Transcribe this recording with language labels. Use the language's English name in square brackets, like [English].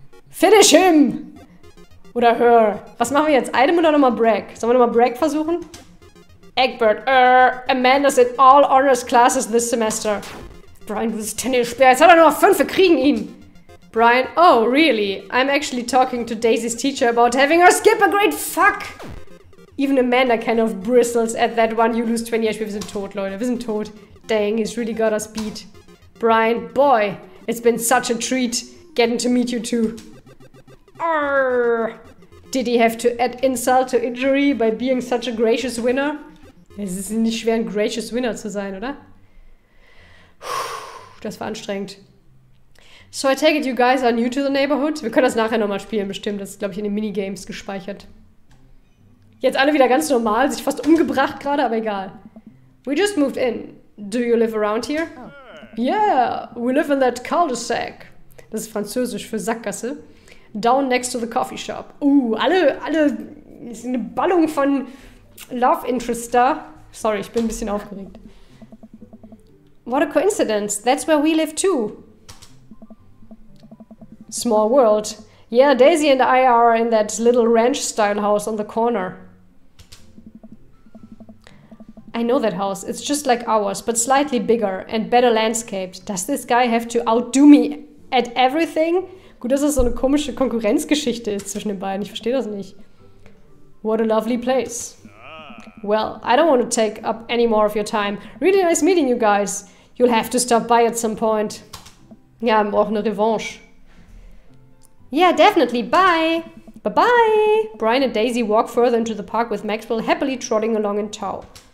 [English] Finish him! [German] Oder her. Was machen wir jetzt? Item oder nochmal Brag? Sollen wir nochmal Brag versuchen? Eggbert. [English] Amanda's in all honors classes this semester. [German] Brian, du bist Tennisspieler. Jetzt hat er nur noch 5. Wir kriegen ihn. [English] Brian, oh, really? I'm actually talking to Daisy's teacher about having her skip a grade. Fuck! Even Amanda kind of bristles at that one. You lose 20 HP. [German] Wir sind tot, Leute. Wir sind tot. [English] Dang, he's really got us beat. Brian, boy, it's been such a treat getting to meet you too. Arr! Did he have to add insult to injury by being such a gracious winner? [German] Es ist nicht schwer, ein gracious winner zu sein, oder? Das war anstrengend. [English] So I take it you guys are new to the neighborhood. [German] Wir können das nachher nochmal spielen, bestimmt. Das ist, glaube ich, in den Minigames gespeichert. Jetzt alle wieder ganz normal, sich fast umgebracht gerade, aber egal. [English] We just moved in. Do you live around here? Oh. Yeah, we live in that cul-de-sac. [German] Das ist Französisch für Sackgasse. [English] Down next to the coffee shop. [German] Alle, das ist eine Ballung von Love Interest da. Sorry, ich bin ein bisschen aufgeregt. [English] What a coincidence. That's where we live too. Small world. Yeah, Daisy and I are in that little ranch-style house on the corner. I know that house. It's just like ours, but slightly bigger and better landscaped. Does this guy have to outdo me at everything? [German] Gut, dass das so eine komische Konkurrenzgeschichte ist zwischen den beiden. Ich verstehe das nicht. [English] What a lovely place. Well, I don't want to take up any more of your time. Really nice meeting you guys. You'll have to stop by at some point. [German] Ja, wir brauchen eine Revanche. [English] Yeah, definitely. Bye. Bye-bye. Brian and Daisy walk further into the park with Maxwell happily trotting along in tow.